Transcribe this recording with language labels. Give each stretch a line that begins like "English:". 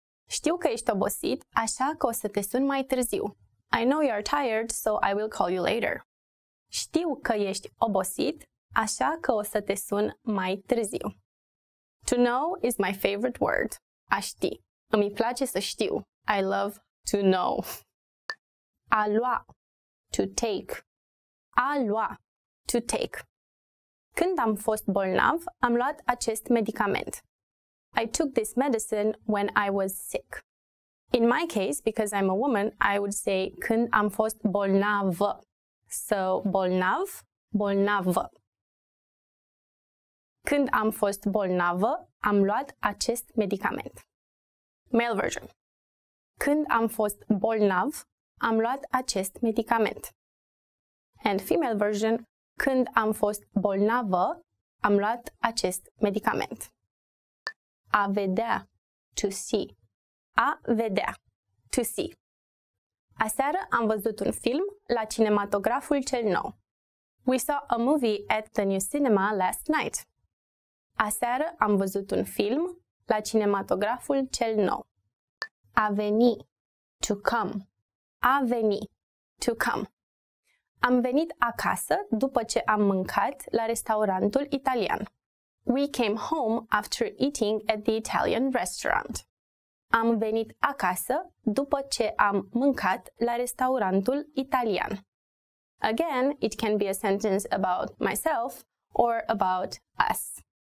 Romanian: Știu că ești obosit, așa că o să te sun mai târziu.
English: I know you are tired, so I will call you later.
Romanian: Știu că ești obosit, așa că o să te sun mai târziu.
English: To know is my favorite word, a ști.
Romanian: Îmi place să știu.
English: I love to know. A lua, to take. A lua, to take.
Romanian: Când am fost bolnav, am luat acest medicament.
English: I took this medicine when I was sick. In my case, because I'm a woman, I would say
Romanian: când am fost bolnav.
English: So bolnav, bolnav.
Romanian: Când am fost bolnav, am luat acest medicament.
English: Male version.
Romanian: Când am fost bolnav, am luat acest medicament.
English: And female version.
Romanian: Când am fost bolnavă, am luat acest medicament.
English: A vedea, to see. A vedea, to see.
Romanian: Aseară am văzut un film la cinematograful cel nou.
English: We saw a movie at the new cinema last night.
Romanian: Aseară am văzut un film la cinematograful cel nou.
English: A veni, to come. A veni, to come.
Romanian: Am venit acasă după ce am mâncat la restaurantul italian.
English: We came home after eating at the Italian restaurant.
Romanian: Am venit acasă după ce am mâncat la restaurantul italian.
English: Again, it can be a sentence about myself or about us.